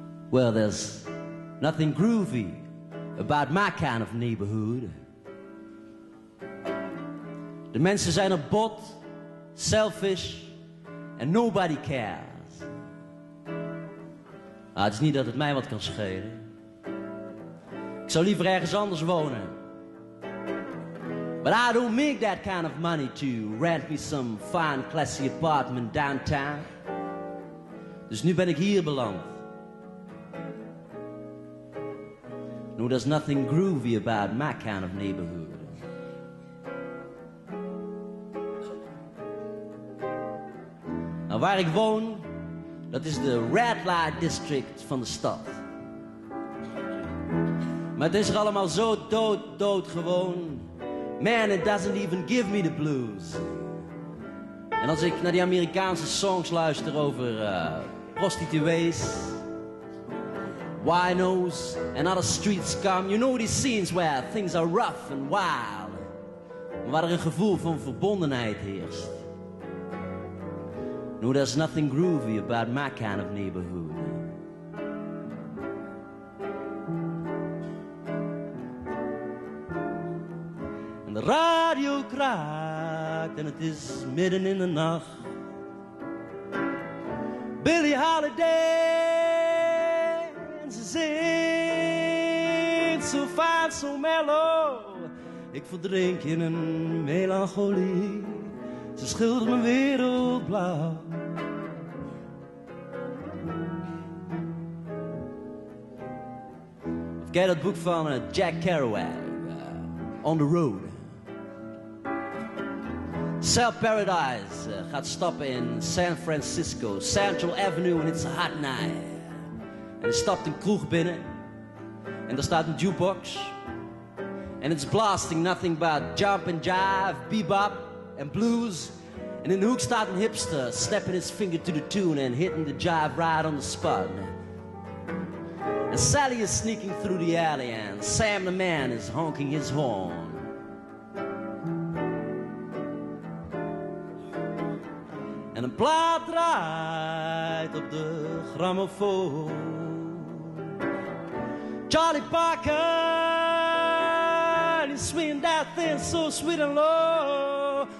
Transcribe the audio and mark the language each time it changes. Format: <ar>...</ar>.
<en>Well, there's nothing groovy about my kind of neighborhood.</en> <nl>De mensen zijn er bot,</nl> <en>selfish, and nobody cares.</en> <nl>Nou, het is niet dat het mij wat kan schelen. Ik zou liever ergens anders wonen.</nl> <en>But I don't make that kind of money to rent me some fine, classy apartment downtown.</en> <nl>Dus nu ben ik hier beland.</nl> <en>No, there's nothing groovy about my kind of neighborhood.</en> <nl>Nou, waar ik woon, dat is de Red Light District van de stad. Maar het is er allemaal zo dood, dood gewoon.</nl> <en>Man, it doesn't even give me the blues.</en> <nl>En als ik naar die Amerikaanse songs luister over prostituees,</nl> <en>winos and other street scum. You know these scenes where things are rough and wild.</en> <nl>Waar er een gevoel van verbondenheid heerst.</nl> <en>No, there's nothing groovy about my kind of neighborhood.</en> <nl>En de radio kraakt en het is midden in de nacht. Billie Holiday en ze zingt zo fijn, zo mellow. Ik verdrink in een melancholie. Ze schildert mijn wereld blauw. Of ken je dat boek van Jack Kerouac, On the Road?</nl> <en>Cell Paradise</en> <nl>gaat stoppen in</nl> <en>San Francisco, Central Avenue, and it's a hot night.</en> <nl>En er stapt een kroeg binnen, en daar staat een jukebox.</nl> <en>And it's blasting nothing but jump and jive, bebop, and blues.</en> <nl>En in de hoek staat een hipster,</nl> <en>snapping his finger to the tune and hitting the jive right on the spot. And Sally is sneaking through the alley and Sam the man is honking his horn.</en> <nl>En een plaat draait op de grammofoon.</nl> <en>Charlie Parker, he's swinging that thing so sweet and low.</en>